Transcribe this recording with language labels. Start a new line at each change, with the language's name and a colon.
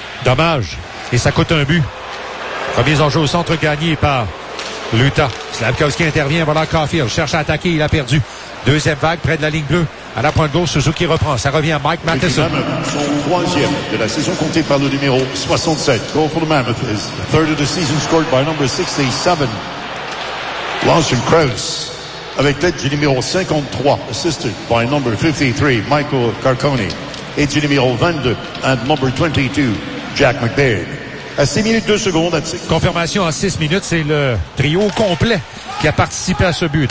French: Dommage. Et ça coûte un but. Remise en jeu au centre gagné par l'Utah. Slavkovski intervient. Voilà Caulfield. Cherche à attaquer. Il a perdu. Deuxième vague près de la ligne bleue. À la pointe gauche, Suzuki reprend. Ça revient à Mike Matheson. Son troisième de la saison compté par le numéro 67.
English: Goal for the Mammoth is the third of the season scored by number 67. Lawson Krause.
French: Avec l'aide du numéro 53,
English: assisted by number 53,
French: Michael Carconi. Et du numéro 22,
English: and number 22,
French: Jack McBaird. À 6 minutes, 2 secondes. Confirmation à 6 minutes, c'est le trio complet qui a participé à ce but.